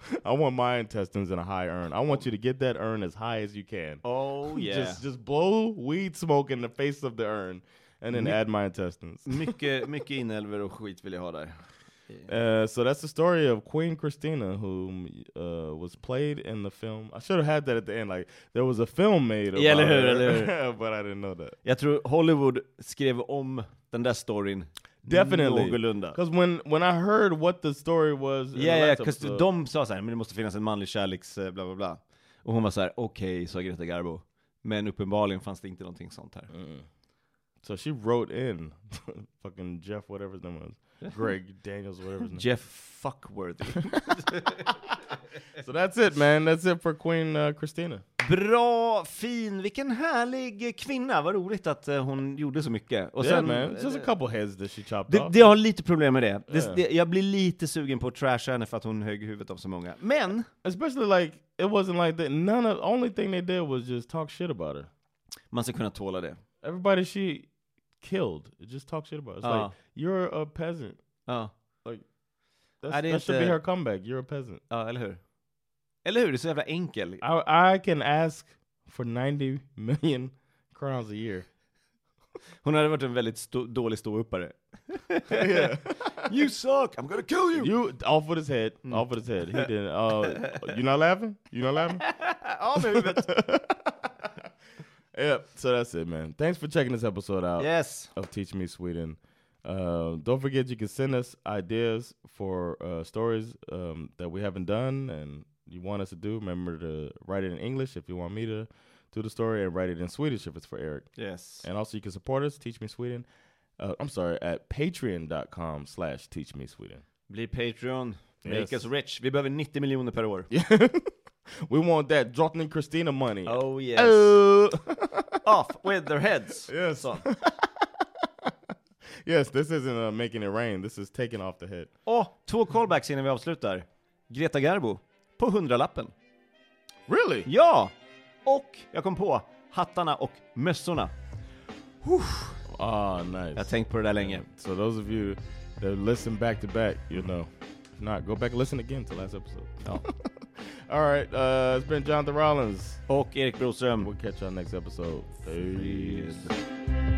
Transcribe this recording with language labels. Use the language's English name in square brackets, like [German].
[English] I want my intestines in a high urn. I want you to get that urn as high as you can. Oh, yeah. Just blow weed smoke in the face of the urn and then add my intestines. [Swedish] mycket inälver och skit vill jag ha där. [English] Yeah. So that's the story of Queen Christina, who was played in the film. I should have had that at the end. Like, there was a film made about [Swedish] eller hur. [English] But I didn't know that. [Swedish] Jag tror Hollywood skrev om den där storyn. [English] Definitely. Because when I heard what the story was. Yeah, because [Swedish] de sa så här, men det måste finnas en manlig kärleks bla bla bla. Och hon var så här, okej, sa Greta Garbo. Men uppenbarligen fanns det inte någonting sånt här. Mm. [English] So she wrote in fucking Jeff whatever his name was. Greg Daniels whatever his name. Jeff Fuckworthy. So that's it, man. That's it for Queen Christina. [Swedish] Bra, fin. Vilken härlig kvinna. Vad roligt att hon gjorde så mycket. Och yeah, sen, man. [English] It's just a couple heads that she chopped [Swedish] off. Det har lite problem med det. Yeah. Det. Jag blir lite sugen på att trasha henne för att hon högg huvudet av så många. Men... [English] Especially like, it wasn't like that. None of, only thing they did was just talk shit about her. [Swedish] Man ska kunna tåla det. [English] Everybody she killed, just talk shit about her. It's like, you're a peasant. [Swedish] Ja. [English] That should be her comeback. You're a peasant. [Swedish] Ja, eller hur? Eller hur? Det är så jävla enkel. [English] I can ask for 90 million crowns a year. [Swedish] Hon hade varit en väldigt dålig ståuppare. [English] Yeah. You suck. I'm gonna kill you. You off with his head. Mm. Off with his head. He didn't. You not laughing? You not laughing? All the huvudet. Yep. So that's it, man. Thanks for checking this episode out. Yes. Of Teach Me Sweden. Don't forget, you can send us ideas for stories that we haven't done and you want us to do. Remember to write it in English if you want me to do the story, and write it in Swedish if it's for Eric. Yes. And also, you can support us, Teach Me Sweden. I'm sorry, at patreon.com/teachmesweden. [Swedish] Bli Patreon. [English] Make us rich. [Swedish] Vi behöver 90 miljoner per år. [English] We want that Drottning Kristina money. Oh, yes. Oh. Off with their heads. Yes. Yes, this isn't making it rain. This is taking off the head. [Swedish] Åh, två callbacks innan vi avslutar. Greta Garbo på 100-lappen. [English] Really? [Swedish] Ja! Och jag kom på hattarna och mössorna. [English] Whew. Ah, nice. [Swedish] Jag tänkt på det där länge. [English] So those of you that listen back to back, you know. If not, go back and listen again to last episode. [Swedish] Ja. [English] All right, it's been Jonathan Rollins. [Swedish] Och Erik Broström. [English] We'll catch you on next episode. Peace.